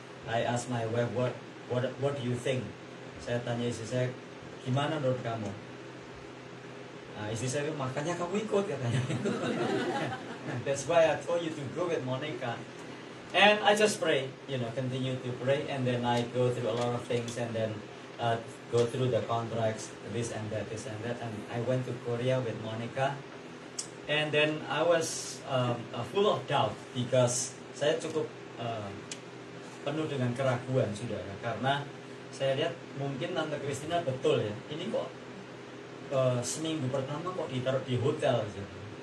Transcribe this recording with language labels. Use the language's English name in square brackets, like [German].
[English] I asked my wife, what do you think? [Indonesian] Saya tanya istri saya, gimana menurut kamu? Nah, istri saya, makanya kamu ikut, katanya. [English] That's why I told you to go with Monica. And I just pray, you know, continue to pray. And then I go through a lot of things and then go through the contracts, this and that, and I went to Korea with Monica, and then I was full of doubt because [Indonesian] saya cukup penuh dengan keraguan, saudara, karena saya lihat mungkin Tante Christina betul ya, ini kok seminggu pertama kok ditaruh di hotel, gitu.